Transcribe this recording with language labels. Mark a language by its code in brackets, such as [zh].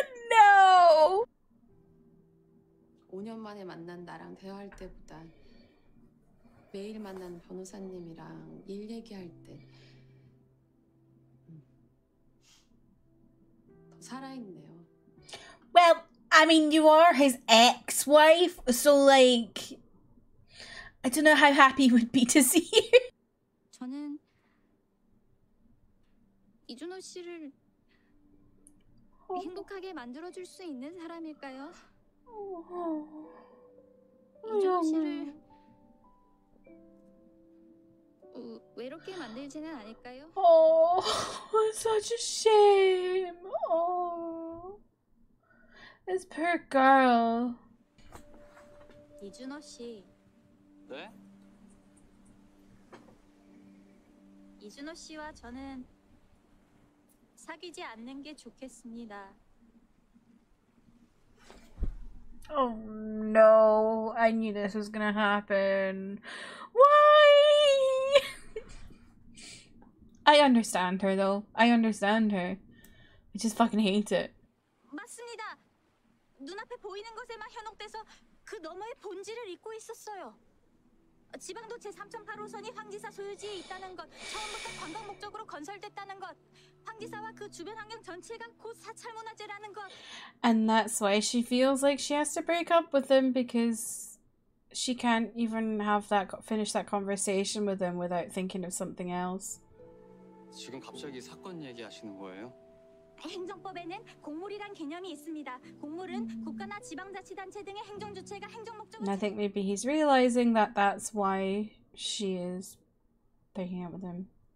[en] No. [ko] 5년 만에 만난 나랑 대화할 때보다 매일 만난 변호사님이랑 일 얘기할 때 더 살아있네요. [en] Well, I mean, you are his ex-wife, so like, I don't know how happy he would be to see you. [ko] 저는 이준호 씨를 행복하게 만들어줄 수 있는 사람일까요? 이준호 씨를 외롭게 만들지는 않을까요? [en] Oh, it's such a shame. Oh. This poor girl. [ko] 이준호 씨. 네? 이준호 씨와 저는 사귀지 않는 게 좋겠습니다. [en] Oh no, I knew this was gonna happen. Why? I understand her though. I understand her. I just fucking hate it. [ko] 맞습니다. 눈앞에 보이는 것에만 현혹돼서 그 너머의 본질을 잊고 있었어요. 지방도 제3.8호선이 황지사 소유지에 있다는 것, 처음부터 관광 목적으로 건설됐다는 것, 황지사와 그 주변 환경 전체가 곧 사찰 문화재라는 것. [en] And that's why she feels like she has to break up with him because she can't even have that finish that conversation with him without thinking of something else. [ko] 지금 갑자기 사건 얘기하시는 거예요? 행정법에는 공무리란 개념이 있습니다. 공무는 국가나 지방자치단체 등의 행정 주체가 행정 목적을. [en] I think maybe he's realizing that that's why she is breaking up with him.